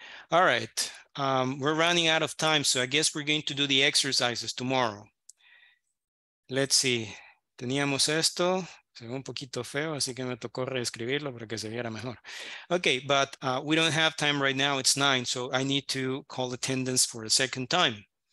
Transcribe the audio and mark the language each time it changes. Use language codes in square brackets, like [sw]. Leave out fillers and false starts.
[en] All right, we're running out of time, so I guess we're going to do the exercises tomorrow. Let's see, [es] teníamos esto, se ve un poquito feo, así que me tocó reescribirlo para que se viera mejor. [en] Okay, but we don't have time right now, it's 9, so I need to call attendance for a second time.